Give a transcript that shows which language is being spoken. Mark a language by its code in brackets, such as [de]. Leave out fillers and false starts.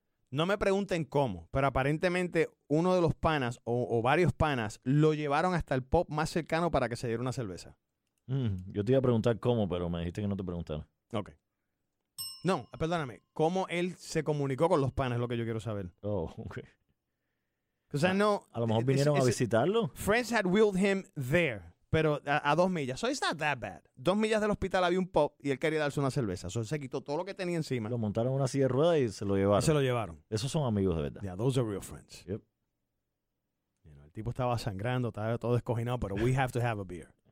[es] No me pregunten cómo, pero aparentemente uno de los panas o varios panas lo llevaron hasta el pub más cercano para que se diera una cerveza. Yo te iba a preguntar cómo, pero me dijiste que no te preguntara. Ok. No, perdóname. ¿Cómo él se comunicó con los panas? Es lo que yo quiero saber. Oh, ok. O sea, no... A lo mejor vinieron a visitarlo. [en] Friends had wheeled him there, [es] pero a 2 millas. [en] So it's not that bad. [es] 2 millas del hospital había un pub y él quería darse una cerveza. So se quitó todo lo que tenía encima. Lo montaron en una silla de ruedas y se lo llevaron. Esos son amigos de verdad. [en] Yeah, those are real friends. Yep. [es] You know, el tipo estaba sangrando, estaba todo descojinado, pero [en] we have to have a beer.